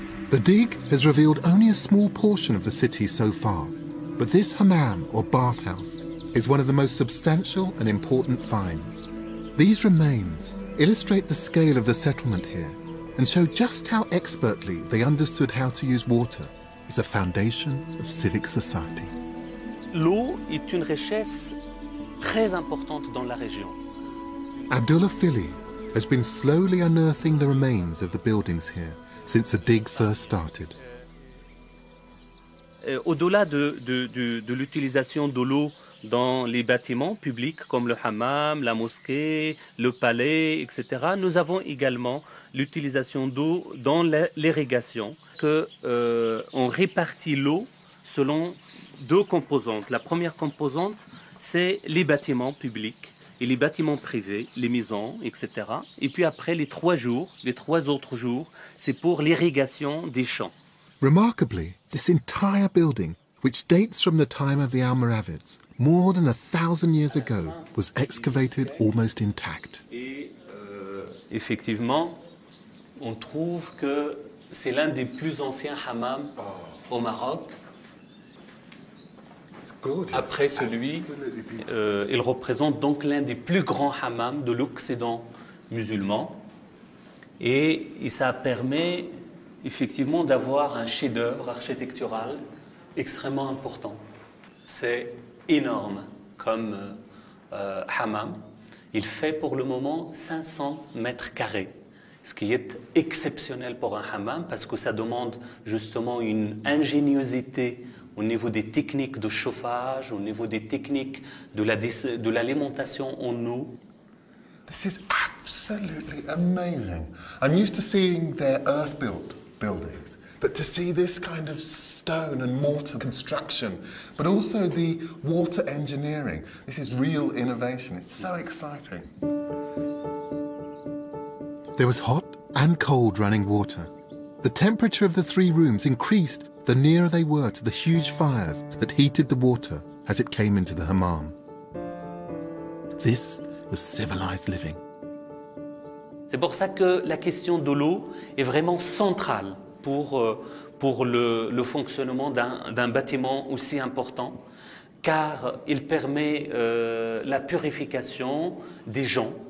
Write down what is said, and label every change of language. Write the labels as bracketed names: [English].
[English] The dig has revealed only a small portion of the city so far, but this hammam, or bathhouse, is one of the most substantial and important finds. These remains illustrate the scale of the settlement here and show just how expertly they understood how to use water as a foundation of civic society. [French] L'eau est une richesse très importante dans la région. [English] Abdullah Fili has been slowly unearthing the remains of the buildings here since the dig first started. [French] Au-delà de l'utilisation de l'eau dans les bâtiments publics comme le hammam, la mosquée, le palais, etc., nous avons également l'utilisation d'eau dans l'irrigation, qu'on répartit l'eau selon deux composantes. La première composante, c'est les bâtiments publics et les bâtiments privés, les maisons, etc. Et puis après, les trois autres jours, c'est pour l'irrigation des champs. [English] Remarkably, this entire building, which dates from the time of the Almoravids, more than 1,000 years ago, was excavated almost intact. [French] Effectivement, on trouve que c'est l'un des plus anciens hammams au Maroc. Après celui, il représente donc l'un des plus grands hammams de l'Occident musulman. Et ça permet effectivement d'avoir un chef-d'œuvre architectural extrêmement important. C'est énorme comme hammam. Il fait pour le moment 500 mètres carrés, ce qui est exceptionnel pour un hammam parce que ça demande justement une ingéniosité au niveau des techniques de chauffage, au niveau des techniques de l'alimentation en eau. [English] This is absolutely amazing. I'm used to seeing their earth-built buildings, but to see this kind of stone and mortar construction, but also the water engineering, this is real innovation. It's so exciting. There was hot and cold running water. The temperature of the three rooms increased the nearer they were to the huge fires that heated the water as it came into the hammam. This was civilized living. [French] C'est pour ça que la question de l'eau est vraiment centrale pour le fonctionnement d'un bâtiment aussi important, car il permet la purification des gens.